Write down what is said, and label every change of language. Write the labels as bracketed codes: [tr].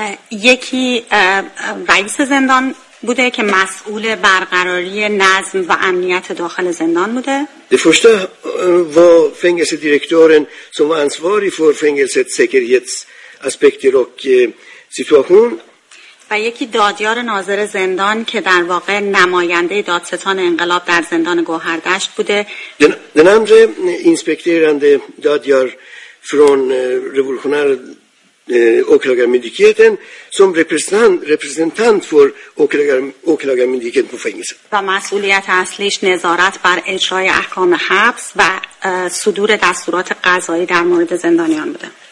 [fa] یکی رئیس زندان بوده که مسئول برقراری نظم و امنیت داخل زندان بوده. [sv] Det första var fängelsedirektören som var ansvarig för fängelsets säkerhetsaspekter och situation. [fa] و یکی دادیار ناظر زندان که در واقع نماینده دادستان انقلاب در زندان گوهردشت بوده. [sv] Den andra inspekterande dadjar från revolutionär åklagarmyndigheten som representant för åklagarmyndigheten på fängelsen. [fa] و مسئولیت اصلیش نظارت بر اجرای احکام حبس و صدور دستورات قضایی در مورد زندانیان بوده.